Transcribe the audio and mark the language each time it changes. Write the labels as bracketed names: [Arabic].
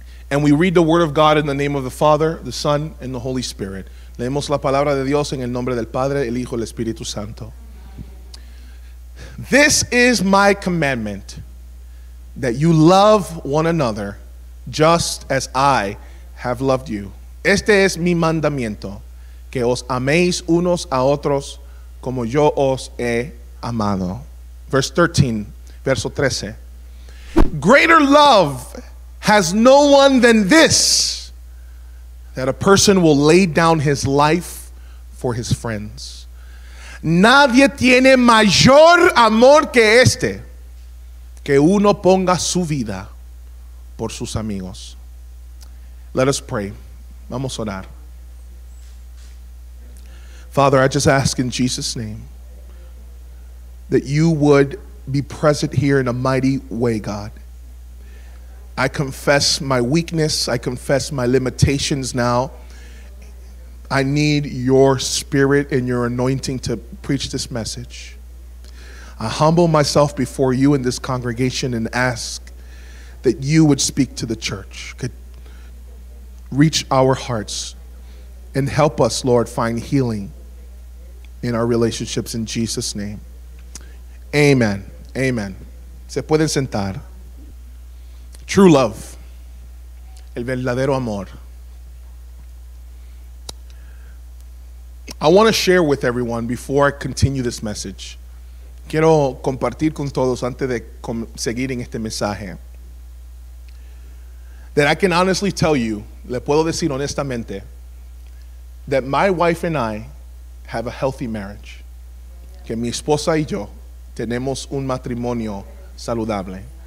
[English] And we read the word of God in the name of the Father, the Son, and the Holy Spirit. [Spanish] Leemos la palabra de Dios en el nombre del Padre, el Hijo, el Espíritu Santo. [English] This is my commandment, that you love one another just as I have loved you. [Spanish] Este es mi mandamiento, que os améis unos a otros como yo os he amado. [English] Verse 13, [Spanish] verso 13. [English] Greater love has no one than this, that a person will lay down his life for his friends. [Spanish] Nadie tiene mayor amor que este, que uno ponga su vida por sus amigos. [English] Let us pray. [Spanish] Vamos a orar. [English] Father, I just ask in Jesus' name that you would be present here in a mighty way, God. I confess my weakness. I confess my limitations now. I need your spirit and your anointing to preach this message. I humble myself before you in this congregation and ask that you would speak to the church, could reach our hearts and help us, Lord, find healing in our relationships in Jesus' name. [Spanish] Amen. Amen. Se pueden sentar. [English] True love. [Spanish] El verdadero amor. [English] I want to share with everyone before I continue this message. [Spanish] Quiero compartir con todos antes de seguir en este mensaje. [English] That I can honestly tell you, [Spanish] le puedo decir honestamente, [English] that my wife and I have a healthy marriage. [Spanish] Que mi esposa y yo tenemos un matrimonio saludable.